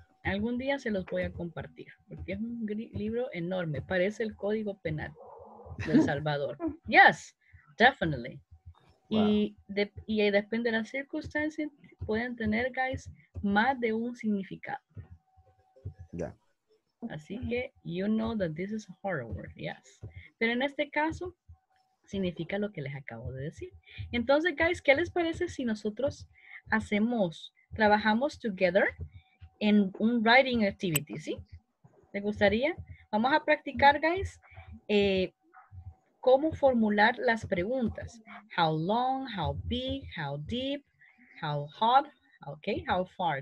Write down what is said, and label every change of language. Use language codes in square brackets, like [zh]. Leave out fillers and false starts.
[es] Algún día se los voy a compartir, porque es un libro enorme. Parece el Código Penal de El Salvador. [en] Yes, definitely. Wow. [es] Y depende de las circunstancias, pueden tener, guys, más de un significado. Ya. Yeah. Así que, [en] you know that this is a horror word, yes. [es] Pero en este caso, significa lo que les acabo de decir. Entonces, guys, ¿qué les parece si nosotros trabajamos [en] together [es] en un [en] writing activity, [es] ¿sí? ¿Te gustaría? Vamos a practicar, guys, cómo formular las preguntas. [en] How long, how big, how deep, how hot, okay, how far.